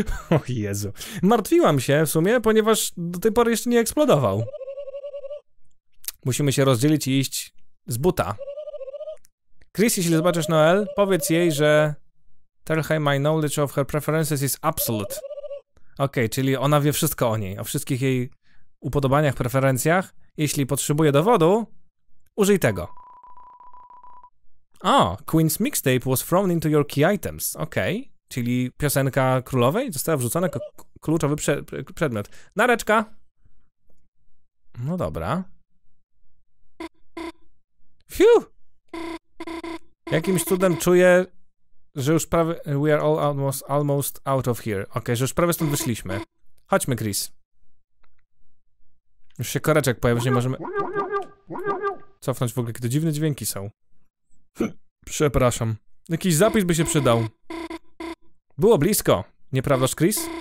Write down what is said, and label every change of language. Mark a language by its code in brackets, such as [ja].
[pl] O Jezu. Martwiłam się w sumie, ponieważ do tej pory jeszcze nie eksplodował. Musimy się rozdzielić i iść z buta. Chris, jeśli zobaczysz Noel, powiedz jej, że... [en] Tell her my knowledge of her preferences is absolute. [pl] Okej, czyli ona wie wszystko o niej, o wszystkich jej upodobaniach, preferencjach. Jeśli potrzebuje dowodu, użyj tego. [en] O, Queen's mixtape was thrown into your key items. [pl] Okej, czyli piosenka królowej została wrzucona jako kluczowy przedmiot. Nareczka! No dobra. Fiu! Jakimś cudem czuję... Że już prawie... [en] We are all almost out of here. [pl] Okej, że już prawie stąd wyszliśmy. Chodźmy, Chris. Już się koreczek pojawił, nie możemy... Cofnąć w ogóle, jakie to dziwne dźwięki są. Przepraszam. Jakiś zapis by się przydał. Było blisko, nieprawdaż, Chris?